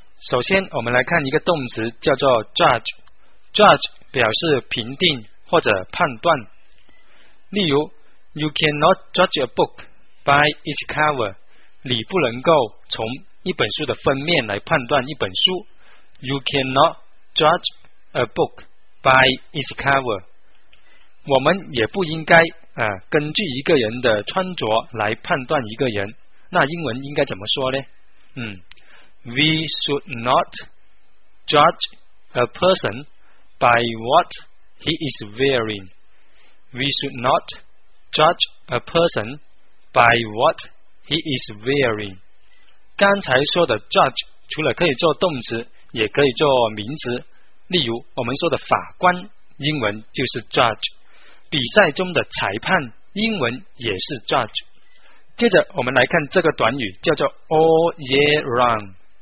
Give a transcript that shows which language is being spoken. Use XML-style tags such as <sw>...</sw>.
<zh>首先我们来看一个动词叫做 judge 表示评定或者判断，例如</zh> <en>you cannot judge a book by its cover，</en> <zh>你不能够从一本书的封面来判断一本书。</zh> <en>you cannot judge a book by its cover，</en> <zh>我们也不应该根据一个人的穿着来判断一个人。那英文应该怎么说呢？</zh> <en>We should not judge a person by what he is wearing. We should not judge a person by what he is wearing.</en> <zh>刚才说的 judge 除了可以做动词，也可以做名词。例如我们说的法官，英文就是 judge。比赛中的裁判，英文也是 judge。接着我们来看这个短语，叫做 all year round。</zh>